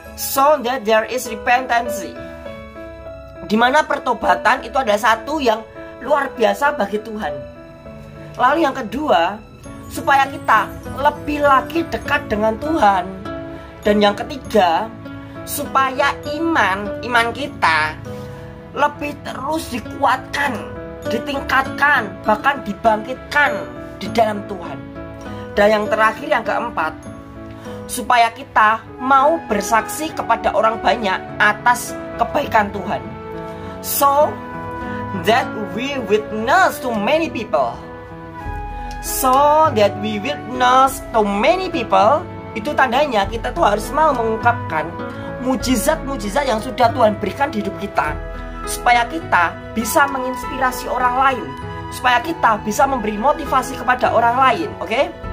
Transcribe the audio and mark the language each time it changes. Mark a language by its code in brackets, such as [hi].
[en] So that there is repentance. [id] Dimana pertobatan itu ada satu yang luar biasa bagi Tuhan. Lalu yang kedua, supaya kita lebih lagi dekat dengan Tuhan. Dan yang ketiga, supaya iman kita lebih terus dikuatkan, ditingkatkan, bahkan dibangkitkan di dalam Tuhan. Dan yang terakhir, yang keempat, supaya kita mau bersaksi kepada orang banyak atas kebaikan Tuhan. [en] So that we witness to many people. So that we witness to many people. [id] Itu tandanya kita tuh harus mau mengungkapkan mujizat-mujizat yang sudah Tuhan berikan di hidup kita, supaya kita bisa menginspirasi orang lain, supaya kita bisa memberi motivasi kepada orang lain, oke?